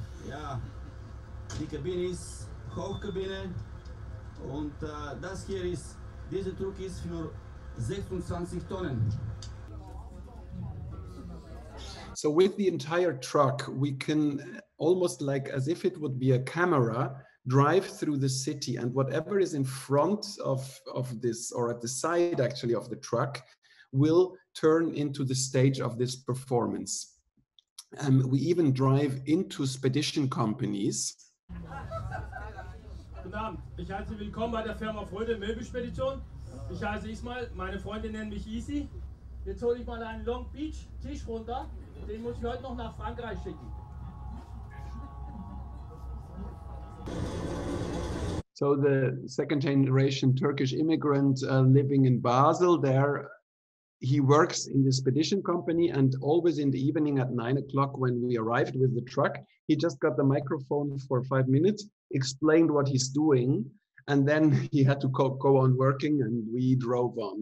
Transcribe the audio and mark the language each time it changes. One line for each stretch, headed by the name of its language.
German: Ja, die Kabine ist Hochkabine, und das hier ist, dieser Truck ist für 26 Tonnen.
English: So with the entire truck, we can almost like as if it would be a camera drive through the city, and whatever is in front of this, or at the side actually of the truck, will turn into the stage of this performance. We even drive into spedition companies.
German: Guten Abend, ich heiße willkommen bei der Firma Fröde Möbelspedition. Ich heiße Ismail, meine Freunde nennen mich Easy. Jetzt hole ich mal einen Long Beach Tisch runter. Den muss ich heute noch nach Frankreich schicken.
English: So the second generation Turkish immigrant living in Basel there, he works in the expedition company, and always in the evening at 9 o'clock when we arrived with the truck, he just got the microphone for 5 minutes, explained what he's doing, and then he had to go on working and we drove on.